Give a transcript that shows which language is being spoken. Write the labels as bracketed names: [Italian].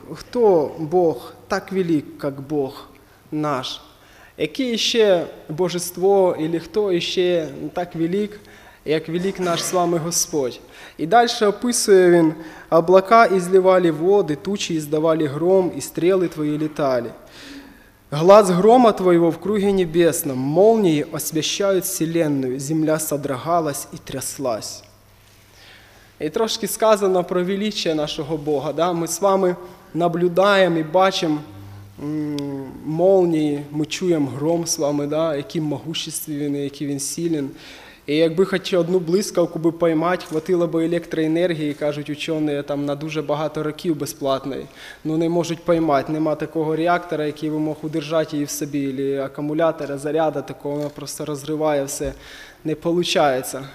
[Ukrainian] Хто Бог так велик, як Бог наш? Яке ще божество, або хто ще так велик, як велик наш з вами Господь? І далі описує він. Облака ізливали води, тучі іздавали гром, і стріли твої літали. [Russian] Глаз грома твоего в круге небесном, молнии освещают вселенную, земля содрогалась и тряслась. И трошки сказано про величие нашего Бога. Да? Мы с вами наблюдаем и бачим молнии, мы чуем гром с вами, да? Який могущественный, який він силен. [Ukrainian] І якби хоч одну блискавку би поймати, хватило би електроенергії, кажуть учені, там на дуже багато років безплатної. Ну не можуть поймати, нема такого реактора, який би мог удержати її в собі, або акумулятора, заряда такого, вона просто розриває все, не виходить.